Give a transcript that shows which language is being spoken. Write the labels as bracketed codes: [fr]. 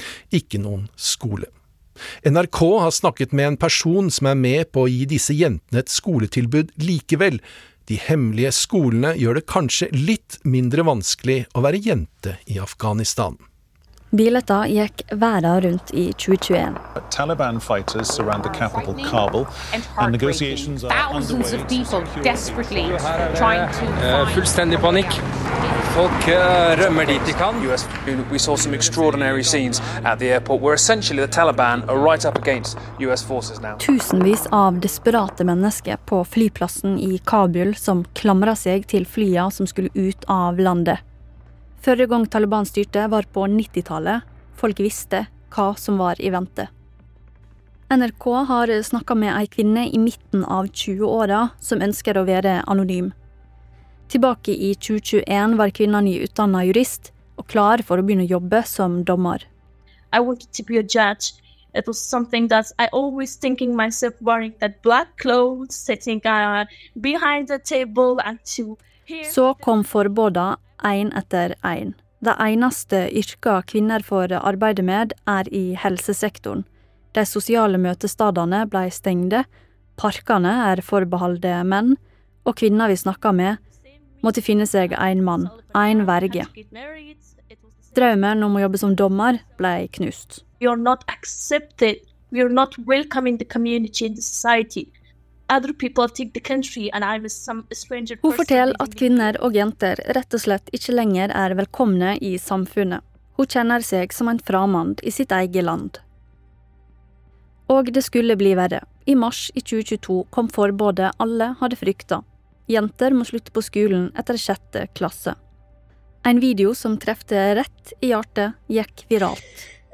[no] Ikke noen skole. NRK har snakket med en person som med på å gi disse jentene et skoletilbud likevel. De hemmelige skolene gjør det kanskje litt mindre vanskelig å være jente i Afghanistan. bilder gikk verden rundt i 2021. [en] Taliban fighters surround the capital Kabul and negotiations are underway. Thousands of people desperately trying to find [no] fullstendig panikk. Folk rømmer dit de kan. [en] US, we saw some extraordinary scenes at the airport where essentially the Taliban are right up against US forces now. [no] Tusenvis av desperate mennesker på flyplassen i Kabul som klamret seg til flyet som skulle ut av landet. Førre gang Taliban styrte var på 90-tallet. Folk visste hva som var i vente. NRK har snakket med en kvinne i midten av 20-årene som ønsker å være anonym. Tilbake i 2021 var kvinnen nyutdannet jurist og klar for å begynne å jobbe som dommer. [en] I wanted to be a judge. It was something that I always thinking myself wearing that black clothes, sitting behind the table and to hear. [no] Så kom forbudet en etter en. Det eneste yrket kvinner får arbeide med er i helsesektoren. De sosiale møtestadene ble stengde, parkene er forbeholdt menn, og kvinner vi snakket med måtte finne seg en mann, en verge. Drømmen om å jobbe som dommer ble knust. [en] You are not accepted. You are not welcome in the community, in the society. Other people take the country, and I'm some stranger. [no] Hun forteller at kvinner og jenter rett og slett ikke lenger er velkomne i samfunnet. Hun kjenner seg som en framand i sitt eget land. Og det skulle bli verre. I mars i 2022 kom forbudet alle hadde frykta. Jenter må slutte på skolen etter 6. klasse. En video som trefte rett i hjertet gikk viralt.